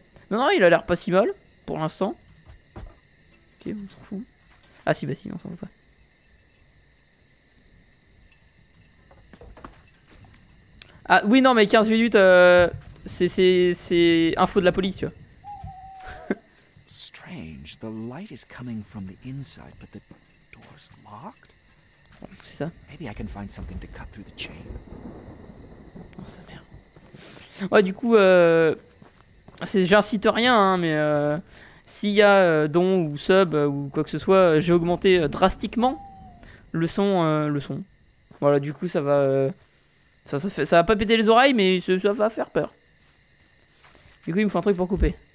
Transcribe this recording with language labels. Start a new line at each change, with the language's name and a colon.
French: Non, non, il a l'air pas si mal, pour l'instant. Ok, on s'en fout. Ah si, bah si, on s'en fout pas. Ah, oui, non, mais 15 minutes, c'est info de la police, tu vois.
English: Strange, the light is coming from the inside, but the door's locked.
French: C'est ça.
English: Maybe I can find something to cut through the chain.
French: Oh sa mère. Ouais, du coup, c'est, j'incite rien, hein, mais s'il y a don ou sub ou quoi que ce soit, j'ai augmenté drastiquement le son. Voilà, du coup, ça va. Ça va pas péter les oreilles, mais ça va faire peur. Du coup, il me faut un truc pour couper.